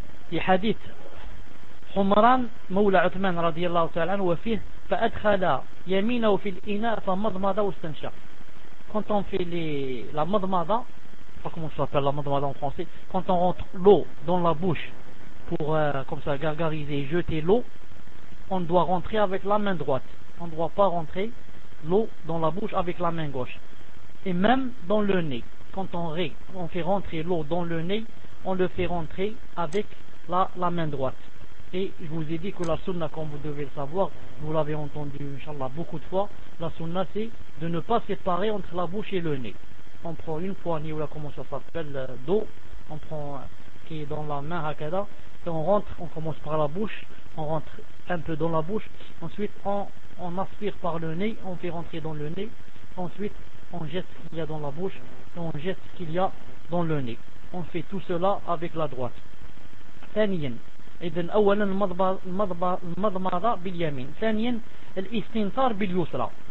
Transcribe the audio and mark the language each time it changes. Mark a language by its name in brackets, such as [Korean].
[Arabic] في حديث عمران مولى عثمان رضي الله تعالى عنه وفيه فأدخل يمينه في الإناء فمضمض واستنشق. [French] Quand on fait la madmada, pas comment ça s'appelle la madmada en français, quand on rentre l'eau dans la bouche pour comme ça gargariser, jeter l'eau, on doit rentrer avec la main droite. On ne doit pas rentrer l'eau dans la bouche avec la main gauche. Et même dans le nez, quand on fait rentrer l'eau dans le nez, on le fait rentrer avec la main droite. Et je vous ai dit que la sunna, comme vous devez le savoir, vous l'avez entendu, inshallah, beaucoup de fois, la sunna c'est de ne pas séparer entre la bouche et le nez. On prend une poignée, ou là, comment ça s'appelle, d'eau, on prend qui est dans la main, [Arabic] hakada, [French] et on rentre, on commence par la bouche, on rentre un peu dans la bouche, ensuite on aspire par le nez, on fait rentrer dans le nez, ensuite on jette ce qu'il y a dans la bouche, et on jette ce qu'il y a dans le nez. On fait tout cela avec la droite. [Arabic] Thaniyan. إذن أولا المضمضة باليمين. ثانيا الاستنثار باليسرى.